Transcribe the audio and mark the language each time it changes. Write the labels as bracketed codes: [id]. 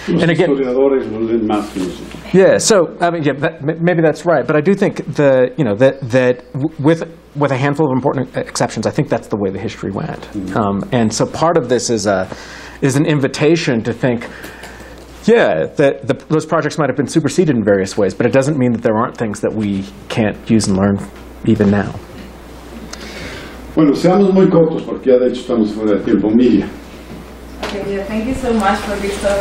[en] And again, maybe that's right, but I do think with a handful of important exceptions, I think that's the way the history went. And so part of this is an invitation to think, yeah, that those projects might have been superseded in various ways, but it doesn't mean that there aren't things that we can't use and learn even now. [es] Bueno, seamos muy cortos porque ya de hecho estamos fuera de tiempo. Mía. [en] Okay, yeah, thank you so much for this talk.